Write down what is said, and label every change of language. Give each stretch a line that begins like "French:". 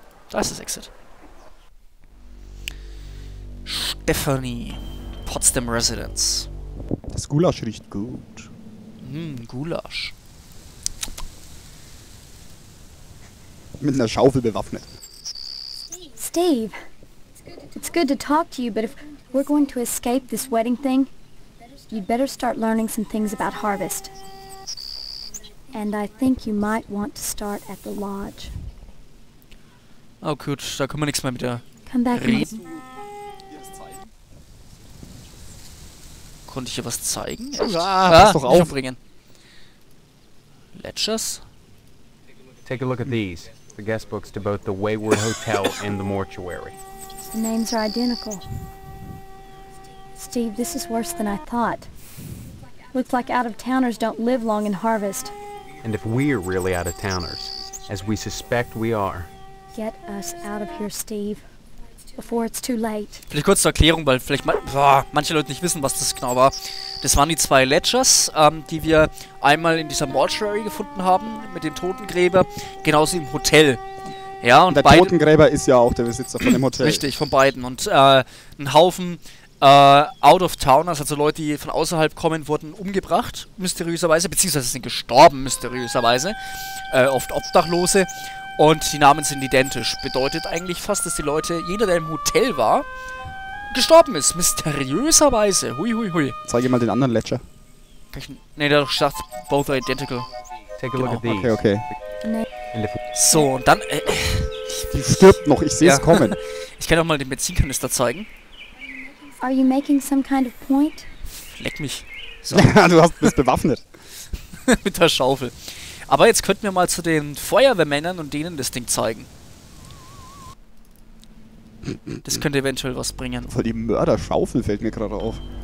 German: Da ist das Exit. Stephanie, Potsdam Residence. Das Gulasch riecht gut. Gulasch. Mit einer Schaufel bewaffnet.
English: Steve, it's good to talk to you, but if we're going to escape this wedding thing, you'd better start learning some things about Harvest. And I think you might want to start at the lodge.
German: Oh gut, da können wir nichts mehr mit der Come back reden. Konnte ich hier was zeigen? Pass doch auf! Aufbringen. Ledgers?
English: Take a look at these. The guest books to both the Wayward Hotel and the Mortuary. The names are identical. Steve, this is worse than I thought. Looks like out-of-towners don't live long in Harvest. And if we're really out-of-towners, as we suspect we are. Get us out of here, Steve, before it's too late.
German: Vielleicht kurz zur Erklärung, weil vielleicht manche Leute nicht wissen, was das genau war. Das waren die zwei Ledgers, die wir einmal in dieser Mortuary gefunden haben, mit dem Totengräber, genauso im Hotel. Ja, und der Totengräber ist ja auch der Besitzer von dem Hotel. Richtig, von beiden. Und ein Haufen Out-of-Towners, also Leute, die von außerhalb kommen, wurden umgebracht, mysteriöserweise, beziehungsweise sind gestorben, mysteriöserweise. Oft Obdachlose. Und die Namen sind identisch. Bedeutet eigentlich fast, dass die Leute, jeder, der im Hotel war, gestorben ist. Mysteriöserweise. Hui, hui, hui. Zeig dir mal den anderen Ledger. Nee, der hat doch gesagt,
English: both are identical. Take a look at these. Okay, okay.
German: So, und dann... Die stirbt noch, ich sehe es kommen. Ich kann auch mal den Benzinkanister zeigen.
English: Are you making some kind of point?
German: Leck mich. So. Du bist bewaffnet. Mit der Schaufel. Aber jetzt könnten wir mal zu den Feuerwehrmännern und denen das Ding zeigen. Das könnte eventuell was bringen. Voll die Mörderschaufel fällt mir gerade auf.